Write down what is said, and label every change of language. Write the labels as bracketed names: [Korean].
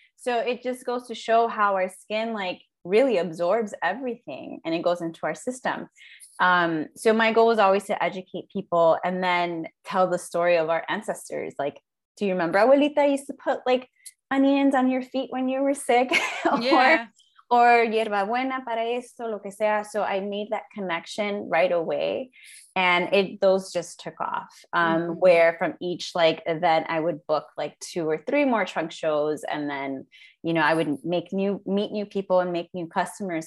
[English] So it just goes to show how our skin like really absorbs everything and it goes into our system. So my goal was always to educate people and then tell the story of our ancestors. Like, do you remember abuelita used to put like onions on your feet when you were sick? [Spanish] or hierbabuena para esto, lo que sea. [English] So I made that connection right away. And those just took off, where from each like event, I would book like two or three more trunk shows. And then, you know, I would meet new people and make new customers.